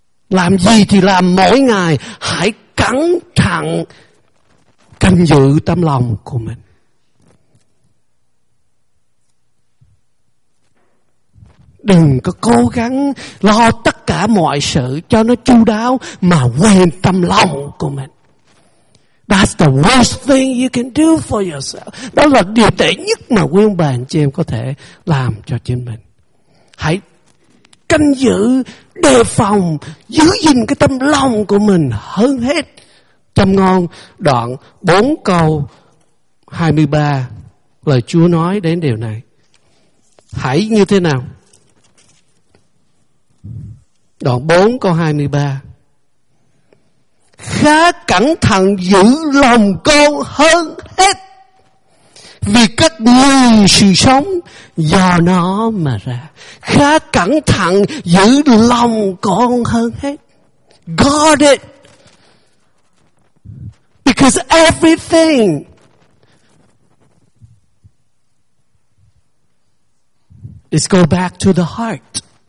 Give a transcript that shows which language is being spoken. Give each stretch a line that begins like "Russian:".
Vietnamese: Làm gì thì làm mỗi ngày hãy cẩn thận canh giữ tâm lòng của mình. Đừng có cố gắng lo tất cả mọi sự cho nó chu đáo mà quên tâm lòng của mình.
English: That's the worst thing you can do for yourself.
Vietnamese: Đó là điều tệ nhất mà quý ông bà anh chị em có thể làm cho chính mình. Hãy canh giữ, đề phòng, giữ gìn cái tâm lòng của mình hơn hết. Châm ngôn đoạn 4 câu 23, lời Chúa nói đến điều này. Hãy như thế nào? Đoạn 4 câu 23. Khá cẩn thận giữ lòng con hơn hết, vì các ngươi sự sống do nó mà ra. Khá cẩn thận giữ lòng con hơn hết.
English: Guard it. Because everything is go back to the heart.